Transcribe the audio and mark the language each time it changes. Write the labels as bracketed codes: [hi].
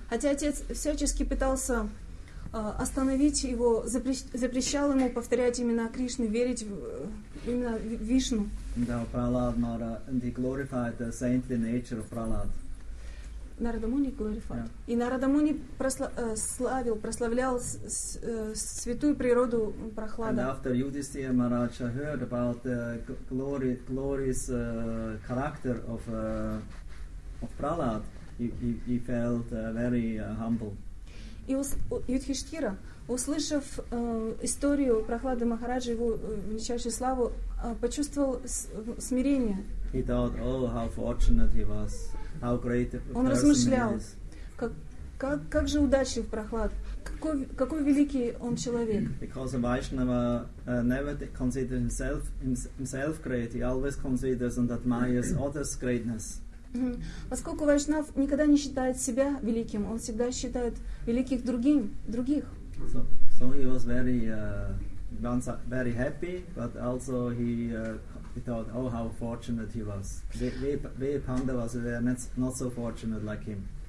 [ru] Хотя отец всячески пытался остановить его, запрещал ему повторять имена Кришны, верить в имена Вишну. [en] Да, Prahlad Mara, and he glorified the saintly nature of Prahlad. Нарада Муни glorified. Yeah. [ru] И Нарада Муни славил, прославлял святую природу Прохлада. [en] And after Yudhisthira Maharaj heard about the glorious character of Prahlad, he felt very humble. [ru] И Юдхиштхира, услышав историю Прохлады Махараджи, его величайшую славу, почувствовал смирение. [en] He thought, oh, how fortunate he was, how great a person he is. [ru] Он размышлял, как же удачлив Прохлад, какой великий он человек. [en] Because a Vaishnava never considers himself great, he always considers and admires others' greatness. [ru] Поскольку Вайшнав никогда не считает себя великим, он всегда считает великих других. [en] So he was very happy, but also he thought, oh, how fortunate he was. We Pandavas were not so fortunate like him.